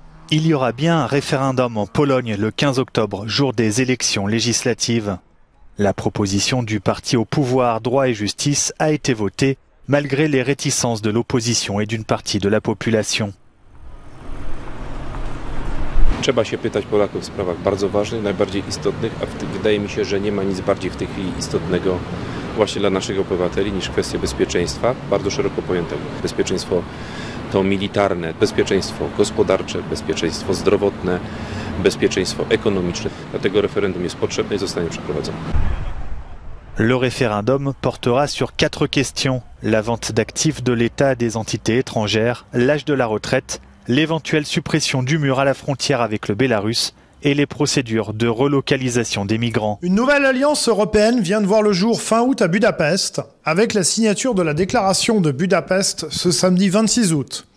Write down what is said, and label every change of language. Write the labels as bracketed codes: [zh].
[fr] Il y aura bien un référendum en Pologne le 15 octobre, jour des élections législatives. La proposition du parti au pouvoir Droit et Justice a été votée malgré les réticences de l'opposition et d'une partie de la population. [pl] Trzeba się pytać Polaków w sprawach bardzo ważnych, najbardziej istotnych, a wydaje mi się, że nie ma nic bardziej w tej chwili istotnego właśnie dla naszych obywateli niż kwestie bezpieczeństwa, bardzo szeroko pojętego. Bezpieczeństwo to militarne, bezpieczeństwo gospodarcze, bezpieczeństwo zdrowotne. Bezpieczeństwo ekonomiczne. Dlatego referendum jest potrzebne i zostanie przeprowadzone. [fr] Le référendum portera sur quatre questions: la vente d'actifs de l'État à des entités étrangères, l'âge de la retraite, l'éventuelle suppression du mur à la frontière avec le Bélarus et les procédures de relocalisation des migrants. Une nouvelle alliance européenne vient de voir le jour fin août à Budapest, avec la signature de la déclaration de Budapest ce samedi 26 août.